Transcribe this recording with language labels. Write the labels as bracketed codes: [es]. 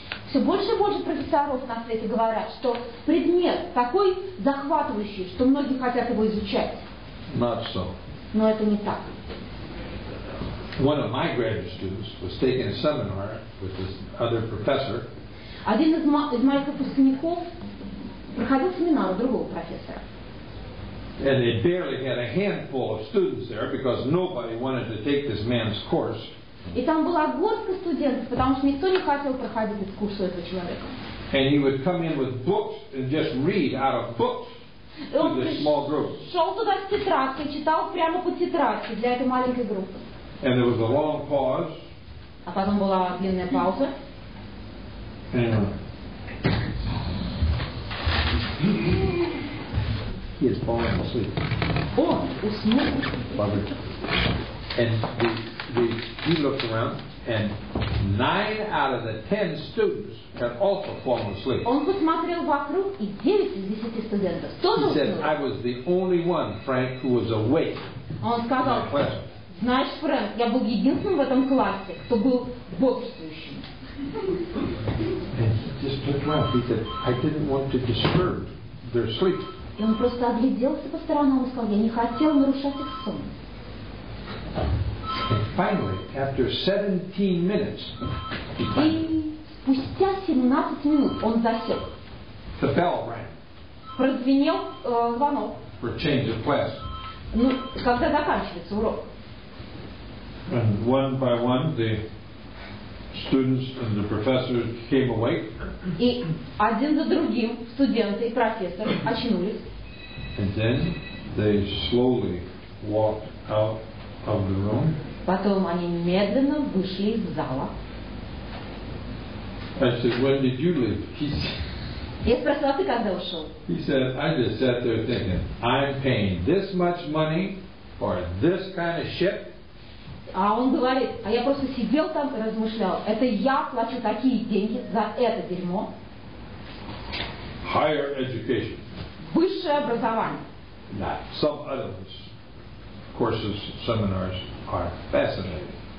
[ru] Все больше и больше профессоров на свете говорят, что предмет такой захватывающий, что многие хотят его изучать. [en] Not so. [ru] Но это не так. [en] One of my graduate students was taking a seminar with this other professor. [ru] Один из моих выпускников проходил семинар у другого профессора. [en] And they barely had a handful of students there because nobody wanted to take this man's course. [ru] И там была горстка студентов, потому что никто не хотел проходить этот курс у этого человека. [en] And he would come in with books and just read out of books to this small group. [ru] Шел туда с тетрадкой, читал прямо по тетрадке для этой маленькой группы. [en] And there was a long pause. [ru] А потом была длинная пауза. [en] He has fallen asleep. [ru] Oh, usnul. [en] Lovely. And he looked around, and 9 out of 10 students had also fallen asleep. [ru] Он посмотрел вокруг, и 9 из 10 студентов тоже уснули. [en] He said, "I was the only one, Frank, who was awake." [ru] Он сказал, знаешь, Фрэнк, я был единственным в этом классе, кто был бодрствующим. [en] And he just looked around. He said, "I didn't want to disturb their sleep." [ru] И он просто огляделся по сторонам и сказал, я не хотел нарушать их сон. [en] And finally, after 17 minutes, [ru] и спустя 17 минут он засек. [en] The bell rang. [ru] Прозвенел звонок. [en] For change of class. [ru] Ну, когда заканчивается урок. [en] And one by one, the students and the professor came awake. [ru] И один за другим студенты и профессор очнулись. [en] And then they slowly walked out of the room. [ru] Потом они медленно вышли из зала. [en] I said, when did you leave? [ru] Я спросила, ты когда ушел? [en] He said, I just sat there thinking, I'm paying this much money for this kind of shit. [ru] А он говорит, а я просто сидел там и размышлял, это я плачу такие деньги за это дерьмо. [en] Higher education. [ru] Высшее образование. [en] Now, some other courses, seminars are fascinating.